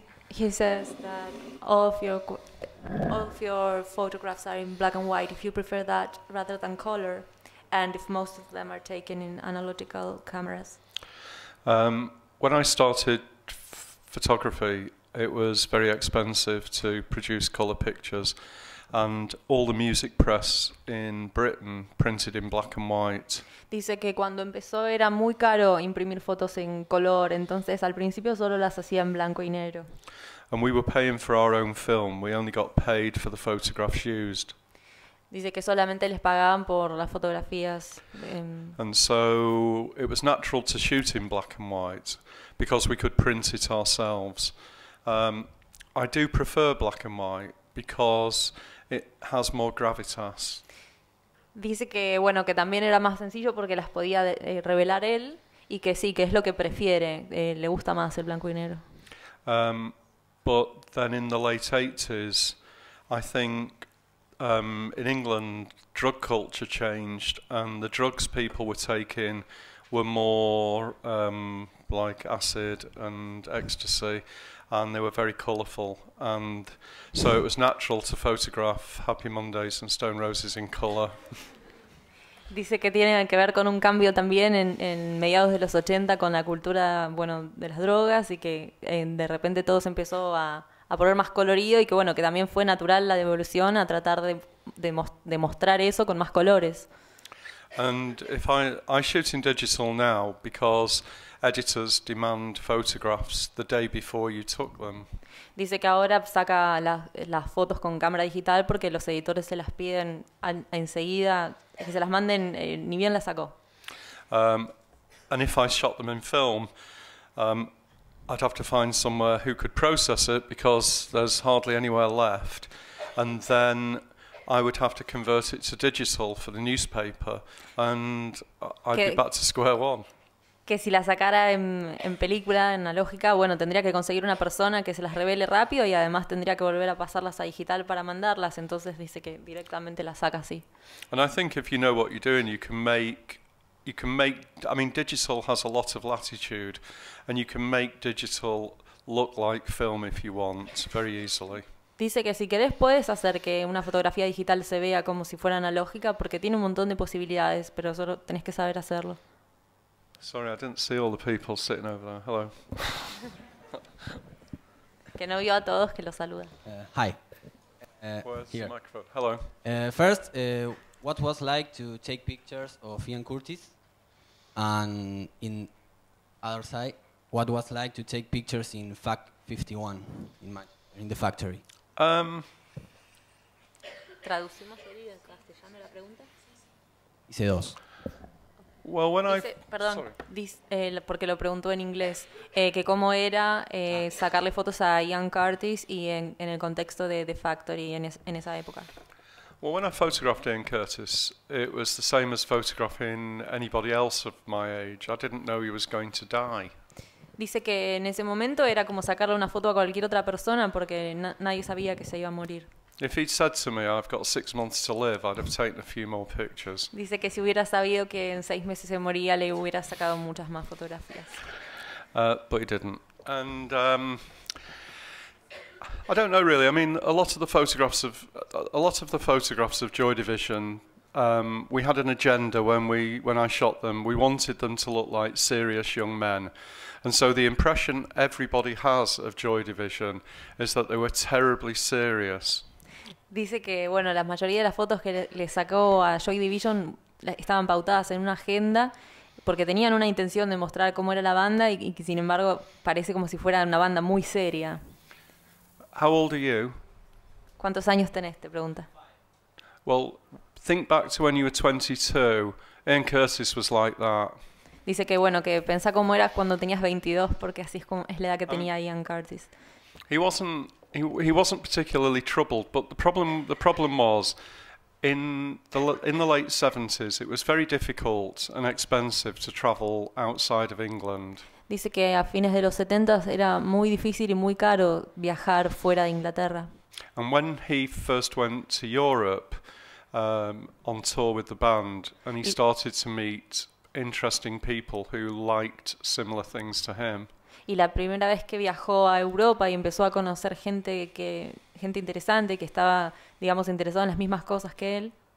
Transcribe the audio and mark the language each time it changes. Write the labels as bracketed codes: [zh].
[en] He says that all of your photographs are in black and white, if you prefer that rather than color, and if most of them are taken in analogical cameras. When I started photography, it was very expensive to produce colour pictures, and all the music press in Britain printed in black and white. [es] Dice que cuando empezó era muy caro imprimir fotos en color, entonces al principio solo las hacía en blanco y negro. [en] And we were paying for our own film, we only got paid for the photographs used. [es] Dice que solamente les pagaban por las fotografías. [en] And so it was natural to shoot in black and white because we could print it ourselves. I do prefer black and white because it has more gravitas. [es] Dice que, bueno, que también era más sencillo porque las podía revelar él y que sí, que es lo que prefiere, le gusta más el blanco y negro. [en] But then in the late 80s, I think in England, drug culture changed, and the drugs people were taking were more like acid and ecstasy, and they were very colourful. And so it was natural to photograph Happy Mondays and Stone Roses in colour. [es] Dice que tiene que ver con un cambio también en mediados de los 80 con la cultura, bueno, de las drogas, y que de repente todo se empezó a poner más colorido y que, bueno, que también fue natural la devolución a tratar de mostrar eso con más colores. [en] And if I shoot in digital now because editors demand photographs the day before you took them. [es] Dice que ahora saca las fotos con cámara digital porque los editores se las piden enseguida, que se las manden ni bien las sacó. [en] And if I shot them in film, I'd have to find somewhere who could process it because there's hardly anywhere left. And then I would have to convert it to digital for the newspaper and I'd be back to square one. [es] Que si la sacara en película, en analógica, bueno, tendría que conseguir una persona que se las revele rápido y además tendría que volver a pasarlas a digital para mandarlas. Entonces dice que directamente las saca así. [en] And I think if you know what you're doing, you can make, I mean, digital has a lot of latitude, and you can make digital look like film if you want, very easily. [es] Dice que si querés puedes hacer que una fotografía digital se vea como si fuera analógica, porque tiene un montón de posibilidades, pero solo tenés que saber hacerlo. [en] Sorry, I didn't see all the people sitting over there. Hello. [es] Que no vio a todos, que los saluda. [en] Hi. Where's the microphone? Hello. First, what was like to take pictures of Ian Curtis? And in other side, what was like to take pictures in Fac 51, in the factory? [es] Traducimos el en castellano la pregunta. Hice dos. [en] Well, when [es] dice, perdón, porque lo preguntó en inglés, que cómo era sacarle fotos a Ian Curtis y en el contexto de The Factory en esa época. [en] Well, when I photographed Ian Curtis, it was the same as photographing anybody else of my age. I didn't know he was going to die. [es] Dice que en ese momento era como sacarle una foto a cualquier otra persona porque nadie sabía que se iba a morir. [en] If he'd said to me, "I've got 6 months to live," I'd have taken a few more pictures. [es] Dice que si hubiera sabido que en 6 meses se moría, le hubiera sacado muchas más fotografías. [en] But he didn't. And I don't know really. I mean, a lot of the photographs of Joy Division, we had an agenda when I shot them. We wanted them to look like serious young men. And so the impression everybody has of Joy Division is that they were terribly serious. [es] Dice que, bueno, la mayoría de las fotos que le sacó a Joy Division estaban pautadas en una agenda porque tenían una intención de mostrar cómo era la banda y que, sin embargo, parece como si fuera una banda muy seria. [en] How old are you? [es] ¿Cuántos años tenés? Te pregunta. [en] Well, think back to when you were 22. Ian Curtis was like that. [es] Dice que, bueno, que pensá cómo eras cuando tenías 22 porque así es como es la edad que tenía Ian Curtis. [en] He wasn't particularly troubled, but the problem was, in the late 70s, it was very difficult and expensive to travel outside of England. [es] Dice que a fines de los 70 era muy difícil y muy caro viajar fuera de Inglaterra. [en] And when he first went to Europe on tour with the band, and he started to meet interesting people who liked similar things to him. [es] Y la primera vez que viajó a Europa y empezó a conocer gente interesante que estaba, digamos, interesado en las mismas cosas que él.